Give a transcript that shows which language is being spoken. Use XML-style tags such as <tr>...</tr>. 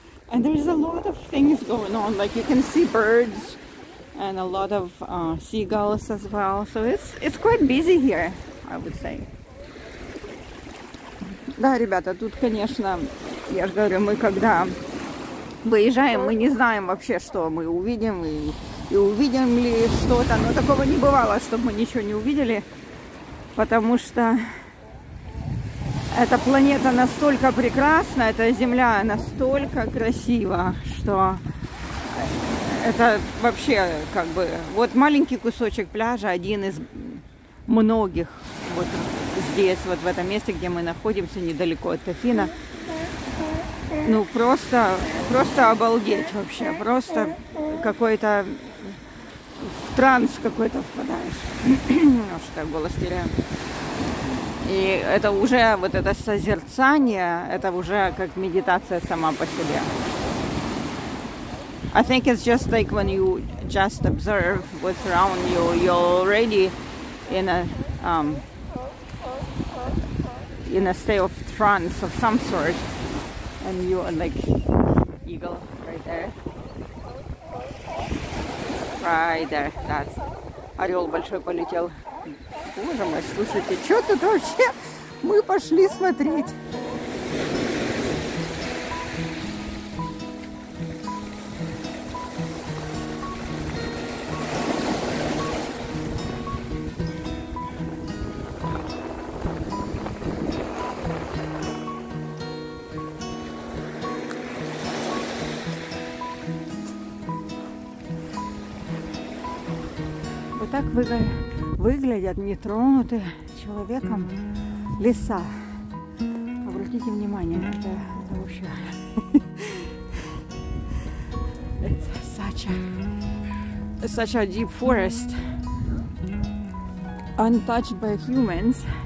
<en>And there's a lot of things going on, like you can see birds and a lot of seagulls as well. So it's quite busy here, I would say.</en> <ru>Да, ребята, тут, конечно, я же говорю, мы когда выезжаем, мы не знаем вообще, что мы увидим, и увидим ли что-то, но такого не бывало, чтобы мы ничего не увидели, потому что эта планета настолько прекрасна, эта Земля настолько красива, что это вообще как бы вот маленький кусочек пляжа, один из многих вот здесь, вот в этом месте, где мы находимся, недалеко от Афина. Ну, просто обалдеть вообще, просто какой-то в транс какой-то впадаешь. Ну, что-то голос теряю. И это уже вот это созерцание, это уже как медитация сама по себе.</ru> <en>I think it's just like when you just observe what's around you, you're already in a state of trance of some sort. And you are like eagle right there. Right there, that's</en> <ru>орел большой полетел. Боже мой, слушайте, что тут вообще? Мы пошли смотреть. Вот так выглядят нетронутые человеком леса. Обратите внимание, это вообще...</ru> <en>It's such a deep forest, untouched by humans.</en>